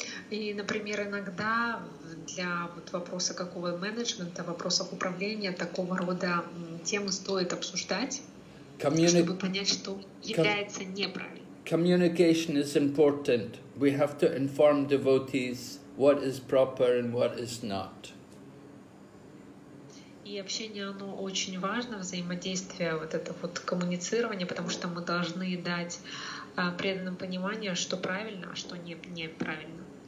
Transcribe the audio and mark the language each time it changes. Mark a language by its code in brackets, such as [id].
[ru] И, например, иногда для вот вопроса какого менеджмента, вопросов управления, такого рода темы стоит обсуждать, чтобы понять, что является неправильным. [en] Communication is important. We have to inform devotees what is proper and what is not. [ru] И общение, оно очень важно, взаимодействие, вот это вот коммуницирование, потому что мы должны дать преданным понимание, что правильно, а что неправильно.